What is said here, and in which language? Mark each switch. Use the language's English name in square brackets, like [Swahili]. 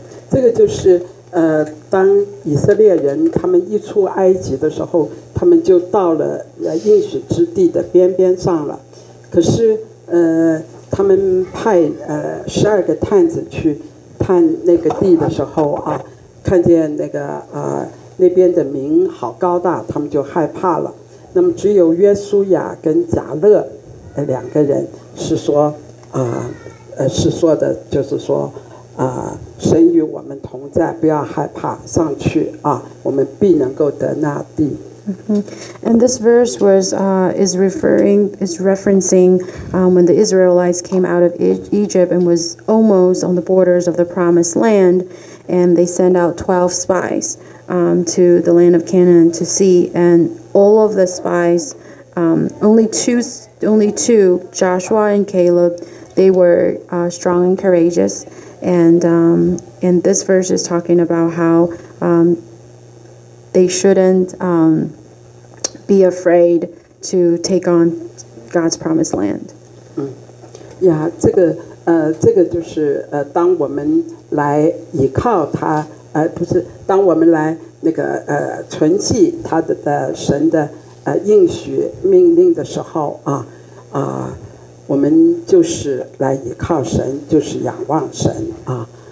[Chinese] 这个就是当以色列人他们一出埃及的时候，他们就到了应许之地的边边上了，可是他们派十二个探子去看那个地的时候啊，看见那个那边的民好高大，他们就害怕了。那么只有约书亚跟贾勒两个人是说是说的，就是说神与我们同在，不要害怕，上去啊，我们必能够得那地。 [English] And this verse was is referencing when the Israelites came out of Egypt and was almost on the borders of the Promised Land, and they sent out 12 spies to the land of Canaan to see, and all of the spies, only two, Joshua and Caleb, they were strong and courageous, and this verse is talking about how they shouldn't be afraid to take on God's promised land. [Chinese] Yeah, 这个就是当我们来依靠他，不是当我们来那个存记他的神的应许命令的时候啊啊，我们就是来依靠神，就是仰望神啊。